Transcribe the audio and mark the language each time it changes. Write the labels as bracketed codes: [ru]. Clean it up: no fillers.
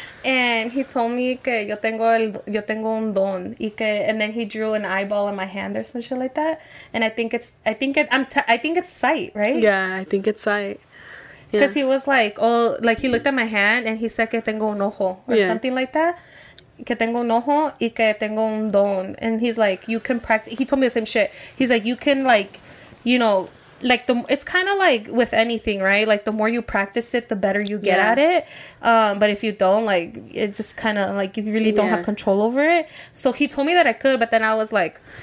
[en] And he told me [es] que yo tengo un don, y que, [en] and then he drew an eyeball in my hand or some shit like that. And I think it's sight, right? Yeah, I think it's sight. Because he was like, oh, like he looked at my hand and he said [es] que tengo un ojo [en] or something like that. [es] Que tengo un ojo y que tengo un don. [en] And he's like, you can practice. He told me the same shit. He's like, you can, like, you know, like the, it's kind of like with anything, right? Like the more you practice it, the better you get at it. But if you don't, like, it just kind of like you really don't have control over it. So he told me that I could, but then I was like,